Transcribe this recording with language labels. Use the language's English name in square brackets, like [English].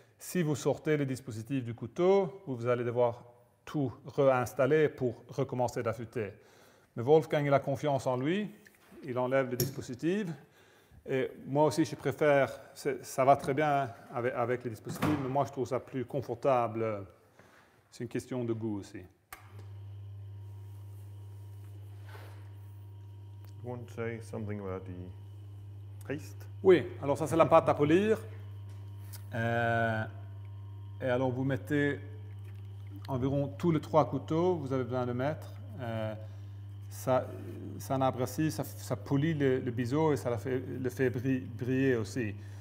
[French] Si vous sortez le dispositif du couteau, vous allez devoir tout réinstaller pour recommencer d'affûter. Mais Wolfgang, il a confiance en lui, il enlève le dispositif. Et moi aussi, je préfère, ça va très bien avec les dispositifs, mais moi, je trouve ça plus confortable. C'est une question de goût aussi. [English] You want to say something about the paste? [French] Oui, alors ça, c'est la pâte à polir. Et alors, vous mettez environ tous les trois couteaux, vous avez besoin de mettre. Ça abrasif, ça polie le biseau et ça le fait briller aussi.